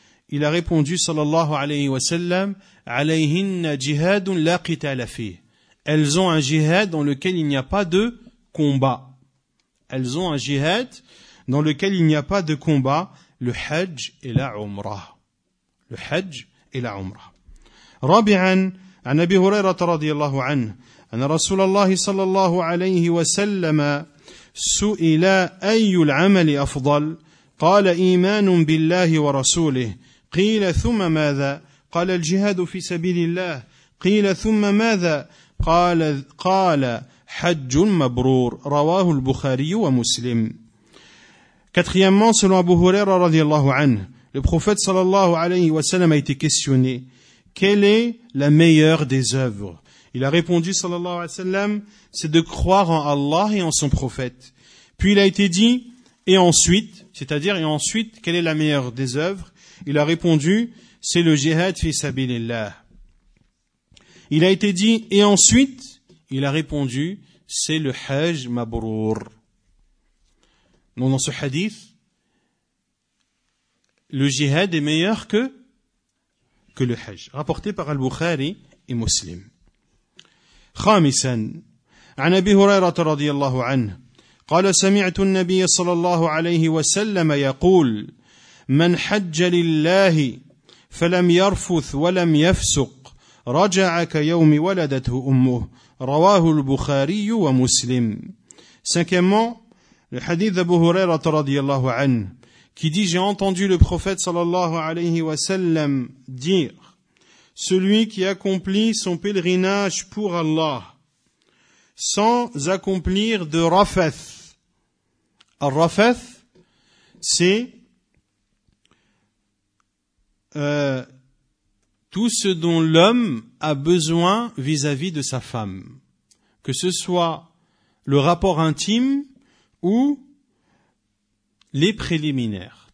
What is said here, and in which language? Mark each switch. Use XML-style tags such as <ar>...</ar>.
<fr>Il a répondu sallallahu alayhi wa sallam «</fr> <ar>Alayhinna jihadun la qitala fih</ar> <fr>» Elles ont un jihad dans lequel il n'y a pas de combat. Elles ont un jihad dans lequel il n'y a pas de combat. Le hajj et la umrah. Le hajj et la umrah.</fr> <ar>Rabi'an, an Abi Hurayra radiallahu anha, أن رسول الله صلى الله عليه وسلم سئل أي العمل أفضل قال إيمان بالله ورسوله قيل ثم ماذا قال الجهاد في سبيل الله قيل ثم ماذا قال حج مبرور رواه البخاري ومسلم</ar> <fr>Quatrièmement, selon Abu Huraira رضي الله عنه le prophète صلى الله عليه وسلم a été questionné quelle est la meilleure des œuvres Il a répondu, sallallahu alayhi wa sallam, c'est de croire en Allah et en son prophète. Puis il a été dit, et ensuite, quelle est la meilleure des œuvres? Il a répondu, c'est le jihad fi sabilillah. Il a été dit, et ensuite, il a répondu, c'est le hajj mabrour. Donc dans ce hadith, le jihad est meilleur que le hajj. Rapporté par Al-Bukhari et Muslim.</fr> <ar>خامسا عن أبي هريرة رضي الله عنه قال سمعت النبي صلى الله عليه وسلم يقول من حج لله فلم يرفث ولم يفسق رجع كيوم ولدته أمه رواه البخاري ومسلم</ar> <fr>cinquièmement le hadith d'Abu Huraira رضي الله عنه qui dit j'ai entendu le prophète صلى الله عليه وسلم dire Celui qui accomplit son pèlerinage pour Allah sans accomplir de rafath. Al rafath, c'est tout ce dont l'homme a besoin vis-à-vis de sa femme, que ce soit le rapport intime ou les préliminaires.</fr>